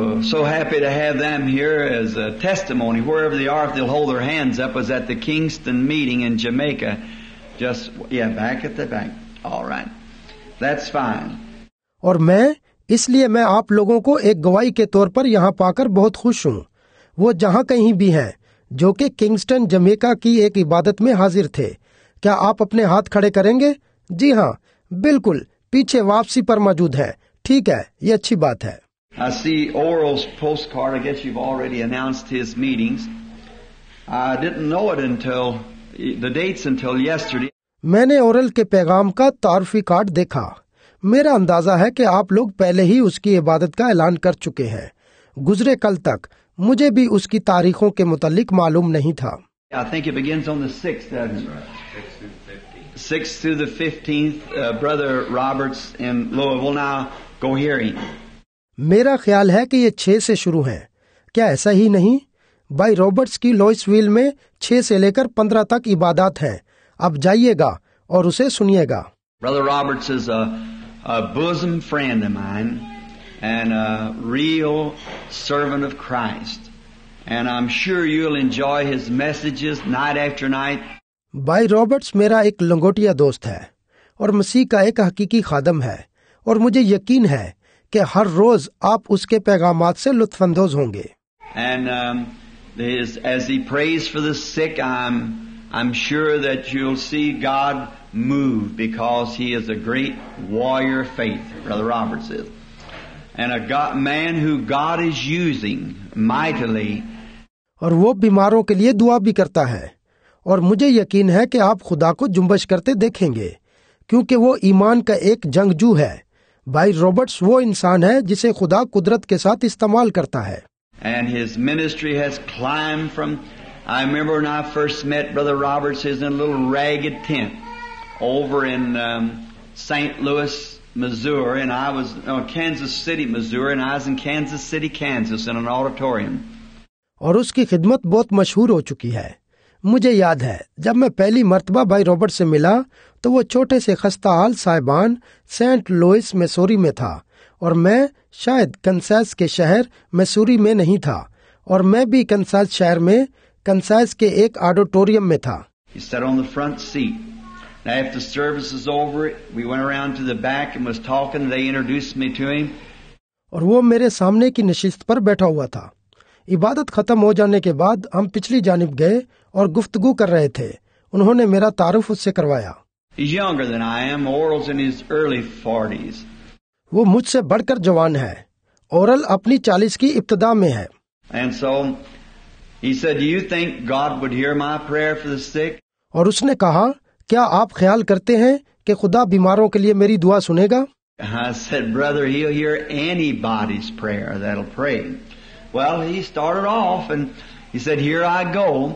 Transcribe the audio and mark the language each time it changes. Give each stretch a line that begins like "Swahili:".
English: So happy to have them here as a testimony. Wherever they are, if they'll hold their hands up, was at the Kingston meeting in Jamaica. Back at the back. All right. That's fine.
Hindi: और मैं आप लोगों को एक गवाही के तौर पर यहाँ पाकर बहुत खुश हूँ। वो जहाँ कहीं भी हैं, जो कि किंगस्टन जमैका की एक इबादत में हाजिर थे, क्या आप अपने हाथ खड़े करेंगे? जी हाँ, बिल्कुल, पीछे वापसी पर मौजूद है। ठीक है, ये अच्छी बात है।
English: I see Oral's postcard. I guess you've already announced his meetings. I didn't know it until the dates until yesterday.
Hindi: मैंने ओरल के पैगाम का तारफी कार्ड देखा। मेरा अंदाजा है कि आप लोग पहले ही उसकी इबादत का ऐलान कर चुके हैं। गुजरे कल तक मुझे भी उसकी तारीखों के मुतालिक मालूम नहीं था।
English: I think it begins on the 6th, doesn't it? 6th through the 15th, Brother Roberts in Louisville now go hearing.
Hindi: मेरा ख्याल है कि ये 6 से शुरू है, क्या ऐसा ही नहीं? भाई रॉबर्ट्स की लॉइसविल में 6 से लेकर 15 तक इबादत है। अब जाइएगा और उसे सुनिएगा।
English: Brother Roberts is a bosom friend of mine and a real servant of Christ, and I'm sure you'll enjoy his messages night after night.
Hindi: भाई रॉबर्ट्स मेरा एक लंगोटिया दोस्त है और मसीह का एक हकीकी खादम है, और मुझे यकीन है कि हर रोज आप उसके पैगामात से लुत्फंदोज होंगे।
English: And as he prays for the sick, I'm sure that you'll see God move, because he is a great warrior of faith, Brother Roberts is, and a man who God is using mightily.
Hindi: और वो बीमारों के लिए दुआ भी करता है, और मुझे यकीन है कि आप खुदा को जुम्बश करते देखेंगे, क्योंकि वो ईमान का एक जंगजू है। भाई रॉबर्ट्स वो इंसान है जिसे खुदा कुदरत के साथ इस्तेमाल करता है।
English: And his ministry has climbed from. I remember when I first met Brother Roberts, he was in a little ragged tent over in St. Louis, Missouri, and I was in Kansas City, Missouri, and I was in Kansas City, Kansas, in an auditorium.
Hindi: और उसकी खिदमत बहुत मशहूर हो चुकी है। मुझे याद है जब मैं पहली मर्तबा भाई रॉबर्ट से मिला तो वो छोटे से खस्ता हाल साहिबान सेंट लुइस मैसूरी में था और मैं शायद कंसास के शहर मैसूरी में नहीं था और मैं भी कंसास शहर में कंसास के एक ऑडिटोरियम में था।
English: He sat on the front seat. Now after the service was over, we went around to the back and was talking. They introduced me to him.
Hindi: और वो मेरे सामने की नशिस्त पर बैठा हुआ था। इबादत खत्म हो जाने के बाद हम पिछली जानिब गए और गुफ्तगू कर रहे थे। उन्होंने मेरा तारुफ उससे करवाया।
English: He's younger than I am. Oral's in his early 40s.
Hindi: वो मुझसे बढ़कर जवान है। ओरल अपनी 40 की इब्तिदा में है।
English: And so he said, "Do you think God would hear my prayer for the sick?"
Hindi: और उसने कहा, क्या आप ख्याल करते हैं कि खुदा बीमारों के लिए मेरी दुआ सुनेगा?
English: I said, "Brother, he'll hear anybody's prayer that'll pray." Well, he started off and he said, "Here I go."